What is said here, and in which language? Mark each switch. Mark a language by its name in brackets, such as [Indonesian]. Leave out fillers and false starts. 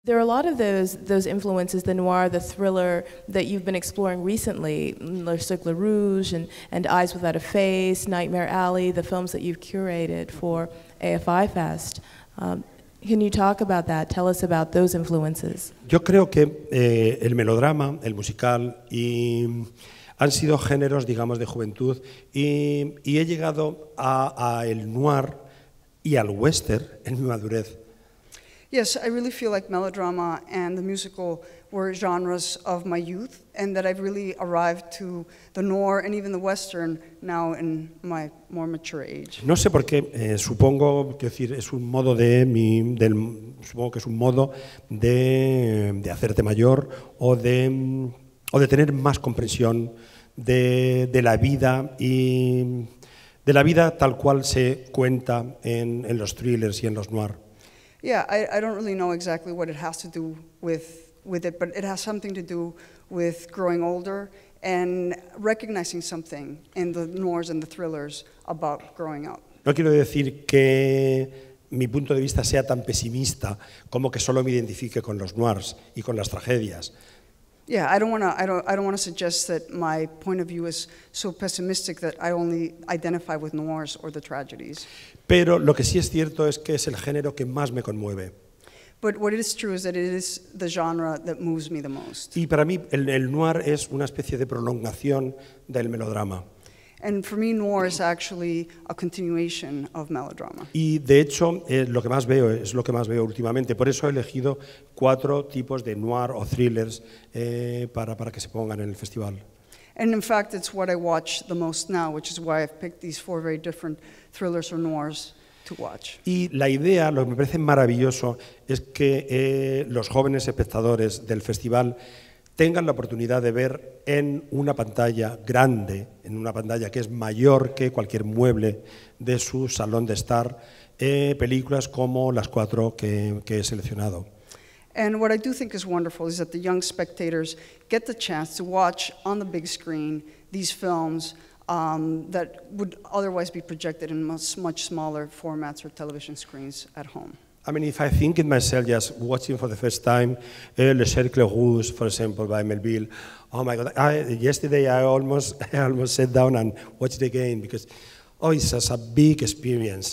[English] There are a lot of those influences, the noir, the thriller that you've been exploring recently, Le Cercle Rouge and Eyes Without a Face, Nightmare Alley, the films that you've curated for AFI Fest. Can you talk about that? Tell us about those influences. [Spanish] Yo creo que el melodrama, el musical, y han sido géneros, digamos, de juventud, y he llegado a el noir y al western en mi madurez. [English] Yes, I really feel like melodrama and the musical were genres of my youth, and that I've really arrived to the noir and even the western now in my more mature age. [Spanish] No sé por qué, supongo que es un modo de mi del supongo que es un modo de hacerte mayor o de tener más comprensión de la vida y de la vida tal cual se cuenta en los thrillers y en los noir. [English] Yeah, I don't really know exactly what it has to do with it, but it has something to do with growing older and recognizing something in the noirs and the thrillers about growing up. [Spanish] No quiero decir que mi punto de vista sea tan pesimista como que solo me identifique con los noirs y con las tragedias. [English] Yeah, I don't want to suggest that my point of view is so pessimistic that I only identify with noirs or the tragedies. [Spanish] Pero lo que sí es cierto es que es el género que más me conmueve. [English] But what is true is that it is the genre that moves me the most. [Spanish] Y para mí el noir es una especie de prolongación del melodrama. [English] And for me noir is actually a continuation of melodrama. [Spanish] Y de hecho lo que más veo es lo que más veo últimamente, por eso he elegido cuatro tipos de noir o thrillers para que se pongan en el festival. [English] And in fact it's what I watch the most now, which is why I've picked these four very different thrillers or noirs to watch. [Spanish] Y la idea, lo que me parece maravilloso es que los jóvenes espectadores del festival tengan la oportunidad de ver en una pantalla grande, en una pantalla que es mayor que cualquier mueble de su salón de estar, películas como las cuatro que he seleccionado. [English] And what I do think is wonderful is that the young spectators get the chance to watch on the big screen these films that would otherwise be projected in much, much smaller formats or television screens at home. I mean, if I think in myself just watching for the first time Le Cercle Rouge, for example, by Melville, oh my God, yesterday I almost sat down and watched it again because, oh, it's such a big experience.